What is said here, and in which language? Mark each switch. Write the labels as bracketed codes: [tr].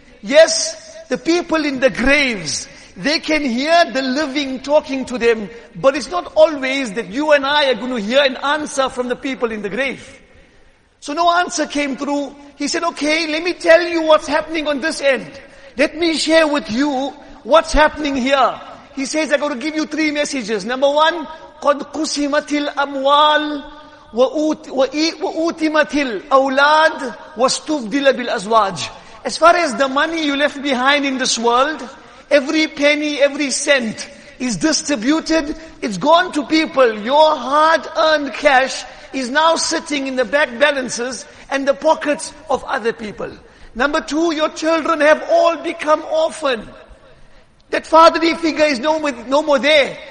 [en] Yes, the people in the graves, they can hear the living talking to them, but it's not always that you and I are going to hear an answer from the people in the grave. So no answer came through. He said, okay, let me tell you what's happening on this end. Let me share with you what's happening here. He says, I'm going to give you three messages. Number one, [ar] قَدْ قُسِمَتِ الْأَمْوَالِ وَأُوتِمَتِ الْأَوْلَادِ وَاسْتُفْدِلَ بِالْأَزْوَاجِ. [en] As far as the money you left behind in this world, every penny, every cent is distributed. It's gone to people. Your hard-earned cash is now sitting in the bank balances and the pockets of other people. Number two, your children have all become orphan. That fatherly figure is no more there.